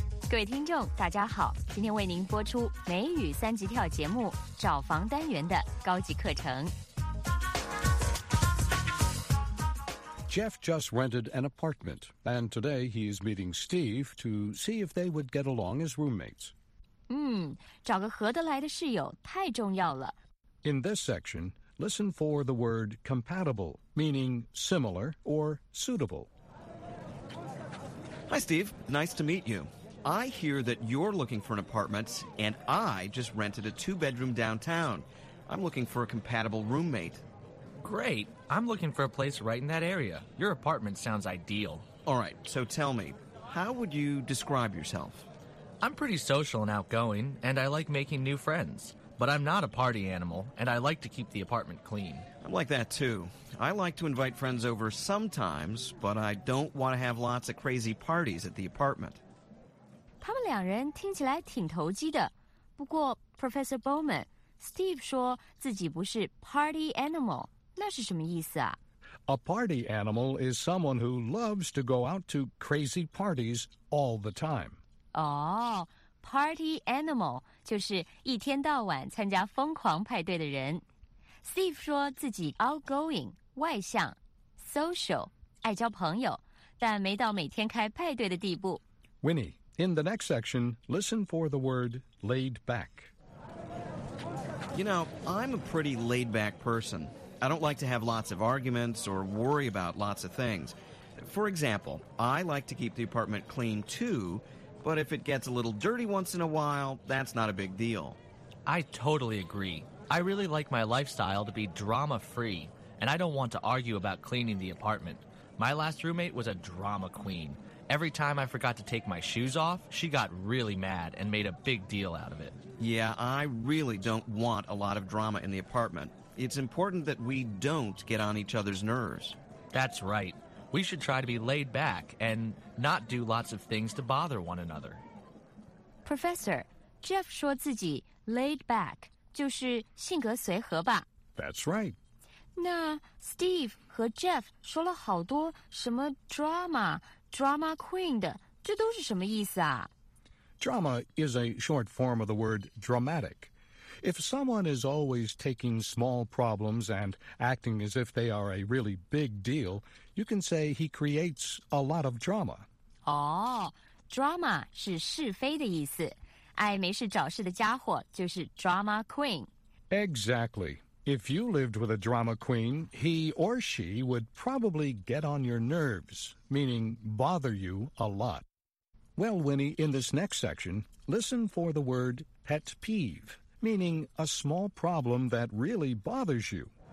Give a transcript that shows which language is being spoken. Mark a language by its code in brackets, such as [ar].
[zh] 各位听众大家好，今天为您播出美语三级跳节目找房单元的高级课程。 [en] Jeff just rented an apartment, and today he is meeting Steve to see if they would get along as roommates. [zh] 找个合得来的室友太重要了。 [en] In this section, listen for the word compatible, meaning similar or suitable. Hi, Steve. Nice to meet you. I hear that you're looking for an apartment, and I just rented a two-bedroom downtown. I'm looking for a compatible roommate. Great. I'm looking for a place right in that area. Your apartment sounds ideal. All right, so tell me, how would you describe yourself? I'm pretty social and outgoing, and I like making new friends. But I'm not a party animal, and I like to keep the apartment clean. I'm like that, too. I like to invite friends over sometimes, but I don't want to have lots of crazy parties at the apartment. [zh] 他们两人听起来挺投机的。不过 Professor Bowman, Steve 说自己不是 party animal. 那是什么意思啊? [en] A party animal is someone who loves to go out to crazy parties all the time. [zh] Oh, party animal 就是一天到晚参加疯狂派对的人。 Steve 说自己 outgoing, 外向, social, 爱交朋友,但没到每天开派对的地步。 [en] Winnie, in the next section, listen for the word laid back. You know, I'm a pretty laid-back person. I don't like to have lots of arguments or worry about lots of things. For example, I like to keep the apartment clean too, but if it gets a little dirty once in a while, that's not a big deal. I totally agree. I really like my lifestyle to be drama-free, and I don't want to argue about cleaning the apartment. My last roommate was a drama queen. Every time I forgot to take my shoes off, she got really mad and made a big deal out of it. Yeah, I really don't want a lot of drama in the apartment. It's important that we don't get on each other's nerves. That's right. We should try to be laid back and not do lots of things to bother one another. [zh] Professor, Jeff 说自己 laid back 就是性格随和吧。 [en] That's right. [zh] 那 Steve 和 Jeff 说了好多什么 drama, drama queen 的，这都是什么意思啊? [en] Drama is a short form of the word dramatic. If someone is always taking small problems and acting as if they are a really big deal, you can say he creates a lot of drama. [zh] Oh, drama 是是非的意思。爱没事找事的家伙就是 drama queen. [en] Exactly. If you lived with a drama queen, he or she would probably get on your nerves, meaning bother you a lot. Well, Winnie, in this next section, listen for the word pet peeve. Meaning a small problem that really bothers you.